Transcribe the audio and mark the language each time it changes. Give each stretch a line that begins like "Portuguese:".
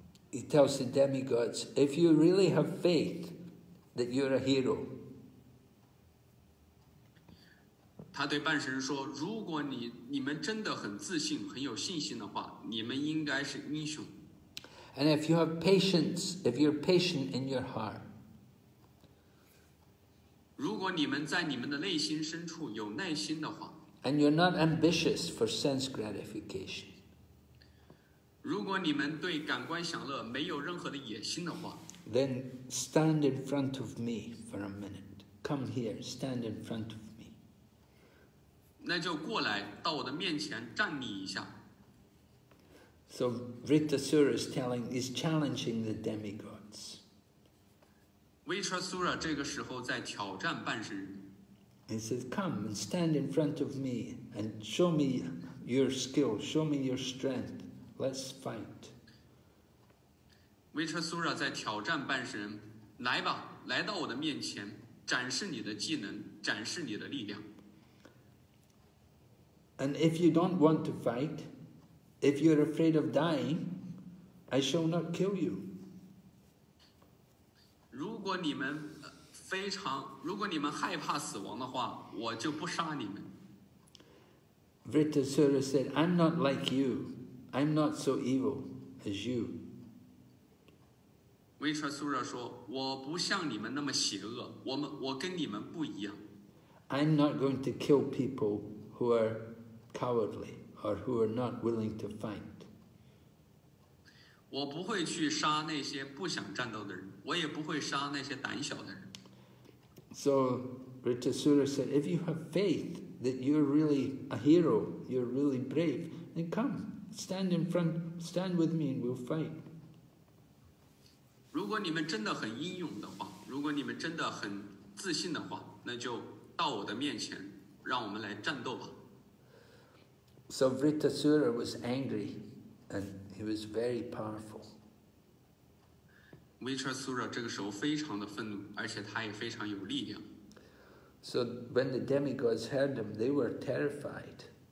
English: He tells the demigods, if you really have faith that you're a hero.
Chinese: 他对半神说，如果你们真的很自信，很有信心的话，你们应该是英雄。
English: And if you have patience, if you're patient in your heart.
Chinese: 如果你们在你们的内心深处有耐心的话。
English: And you're not ambitious for sense gratification.
Chinese: 如果你们对感官享乐没有任何的野心的话，
English: Then stand in front of me for a minute. Come here, stand in front of me.
Chinese: 那就过来到我的面前站立一下。
English: So Vritasura is challenging the demigods.
Chinese: Vritasura 这个时候在挑战半神。
English: He says, come and stand in front of me and show me your skill, show me your strength. Let's fight.
Chinese: Vritasura 在挑战半神，来吧，来到我的面前，展示你的技能，展示你的力量。
English: And if you don't want to fight, if you're afraid of dying, I shall not kill you.
Chinese: 如果你们害怕死亡的话，我就不杀你们。
English: Vritasura said, I'm not like you. I'm not so evil as you.
Chinese: Vritasura 说，我不像你们那么邪恶，我跟你们不一样。
English: I'm not going to kill people who are cowardly or who are not willing to fight.
Chinese: 我不会去杀那些不想战斗的人，我也不会杀那些胆小的人。
English: So Vritasura said, if you have faith that you're really a hero, you're really brave, then come. Stand with me and we'll fight.
Chinese: 如果你们真的很英勇的话，如果你们真的很自信的话，那就到我的面前，让我们来战斗吧。
English: So Vritasura was angry and he was very powerful.
Chinese: Vritasura 这个时候非常的愤怒，而且他也非常有力量。
English: So when the demigods heard him, they were terrified.